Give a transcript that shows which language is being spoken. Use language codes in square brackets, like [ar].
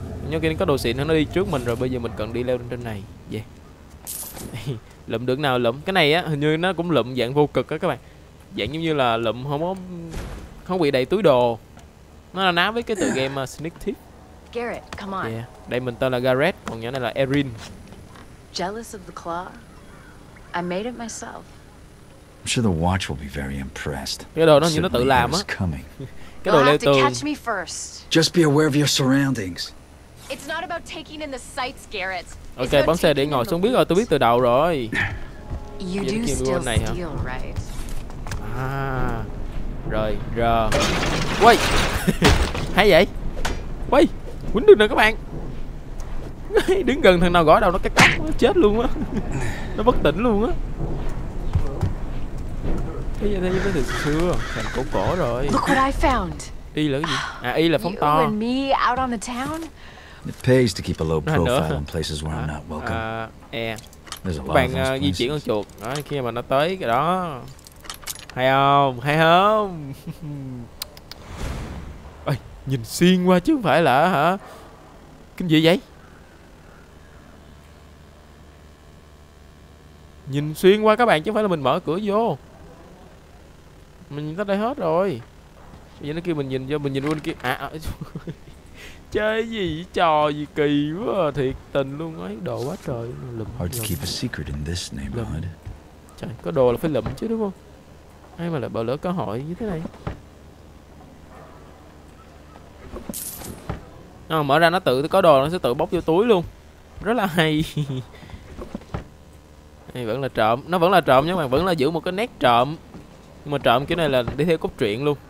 [vi] Nhớ kia có đồ xịn nó đi trước mình rồi, bây giờ mình cần đi leo lên trên này. Yeah. Lụm được nào lụm. Cái này á hình như nó cũng lụm dạng vô cực á các bạn. Dạng giống như là lụm không bị đầy túi đồ. Nó là ná với cái từ game Sneak Thief. Garrett, [en] come on. Yeah. [vi] Đây mình tên là Garrett, còn nhỏ này là Erin. [en] Jealous of the claw? I made it myself. I'm sure the watch will be very impressed. [vi] Cái đồ nó như nó tự làm á. Cái đồ leo tường. [en] Just be aware of your surroundings. It's not about taking in the sights, Garrett. [vi] Ok, bấm xe để ngồi xuống, biết rồi, tôi biết từ đầu rồi. [en] You do still steal, [vi] này, hả? Right. À, rồi, rờ. Quay. Hay vậy. Quay. Quýnh được nè các bạn. Đứng gần thằng nào gõ đầu nó cắt cắt, chết luôn á. Nó bất tỉnh luôn á. Thế giờ thấy nó từ xưa, thằng cổ cổ rồi. [en] Look what I found. [vi] Y là cái gì? À, y là phóng to. [en] You and me out on the town? It pays to keep a low profile in places where I'm not welcome. [vi] Bạn di chuyển con chuột. Đó, khi mà nó tới cái đó. Hay không? Hay không? Ê, nhìn xuyên qua chứ không phải là hả? Kinh dị vậy? Nhìn xuyên qua các bạn chứ không phải là mình mở cửa vô. Mình nhìn tới đây hết rồi. Bây giờ nó kêu mình nhìn vô, mình nhìn qua bên kia. À, chơi gì trò gì kỳ quá à, thiệt tình luôn ấy, đồ quá trời lụm. [en] Hard to keep a secret in this neighborhood. [vi] Trời, có đồ là phải lụm chứ đúng không? Ai mà lại bỏ lỡ cơ hội như thế này. À, mở ra nó tự có đồ nó sẽ tự bóc vô túi luôn. Rất là hay. Hay vẫn là trộm, nó vẫn là trộm nhưng mà vẫn là giữ một cái nét trộm. Nhưng mà trộm kiểu này là đi theo cốt truyện luôn.